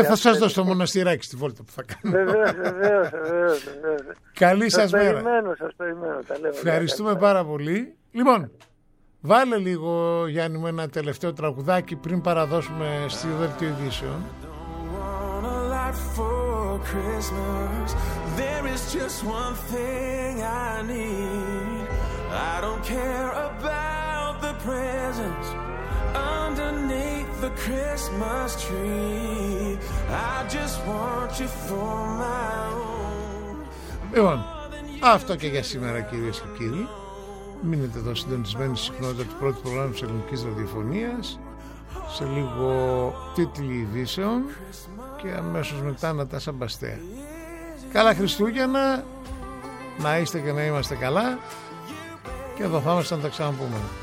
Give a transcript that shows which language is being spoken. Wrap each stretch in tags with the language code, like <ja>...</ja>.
<el>Και θα σας δώσω το μοναστηράκι στη βόλτα που θα κάνω. Βεβαίως. Καλή σας μέρα. Σας περιμένω. Ευχαριστούμε πάρα πολύ. Λοιπόν, βάλε λίγο, Γιάννη μου, ένα τελευταίο τραγουδάκι πριν παραδώσουμε στη δελτίο ειδήσεων.</el> <en>There is just one thing I need. I don't care about the presents underneath the Christmas tree. I just want you for my own.</en> <el>Λοιπόν, αυτό και για σήμερα, κυρίες και κύριοι. Μείνετε εδώ συντονισμένοι στη συχνότητα του πρώτου προγράμματος ελληνικής ραδιοφωνίας. Σε λίγο τίτλοι ειδήσεων και αμέσως μετά Νατάσα Μπαστέ. Καλά Χριστούγεννα, να είστε και να είμαστε καλά και εδώ θα είμαστε να τα ξαναπούμε.</el>